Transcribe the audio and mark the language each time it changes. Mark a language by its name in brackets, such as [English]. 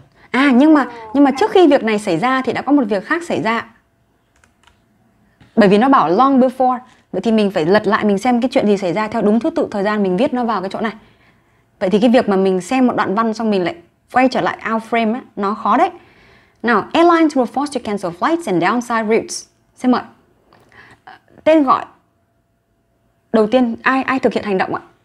[Vietnamese] À nhưng mà trước khi việc này xảy ra thì đã có một việc khác xảy ra. Bởi vì nó bảo long before. Vậy thì mình phải lật lại mình xem cái chuyện gì xảy ra theo đúng thứ tự thời gian mình viết nó vào cái chỗ này. Vậy thì cái việc mà mình xem một đoạn văn xong mình lại quay trở lại out frame ấy, nó khó đấy. [English] Now, airlines were forced to cancel flights and downsize routes. [Vietnamese] Xin mời. Tên gọi. Đầu tiên, ai thực hiện hành động ạ?